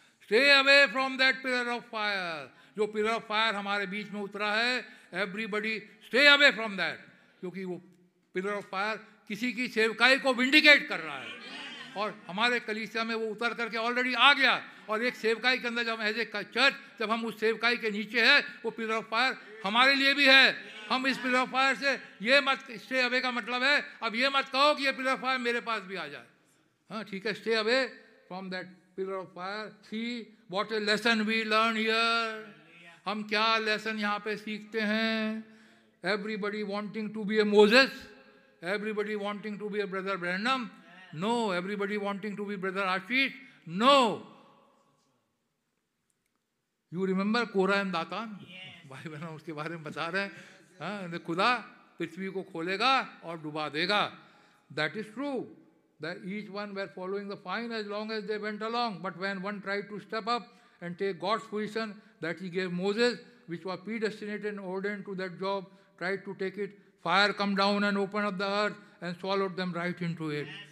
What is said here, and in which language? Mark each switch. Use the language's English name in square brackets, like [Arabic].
[English] Stay away from that pillar of fire. [Hindi] जो pillar of fire हमारे बीच में उतरा है, [English] everybody stay away from that. [Hindi] क्योंकि वो pillar of fire किसी की सेवकाई को vindicate कर रहा है. और हमारे कलीसिया में वो उतर करके already आ गया. और एक सेवकाई के अंदर जब [English] as a church, [Hindi] जब हम उस सेवकाई के नीचे है, वो pillar of fire हमारे लिए भी है. हम इस pillar of fire से ये मत, stay away का मतलब है अब ये मत कहो कि ये pillar of fire मेरे पास भी आ जाए. हाँ ठीक है, [English] stay away from that. What a lesson we learn here. [Hindi] हम क्या लेसन यहाँ पे सीखते हैं. [English] Everybody wanting to be a Moses, everybody wanting to be a brother Branham, no. Everybody wanting to be brother Ashish, no. You remember [Hindi] Quora and दातान, भाई बहन उसके बारे में बता रहे हैं. खुदा पृथ्वी को खोलेगा और डुबा देगा. [English] That is true. That each one were following the fine as long as they went along. But when one tried to step up and take God's position that he gave Moses, which was predestinated and ordained to that job, tried to take it, fire come down and open up the earth and swallowed them right into it.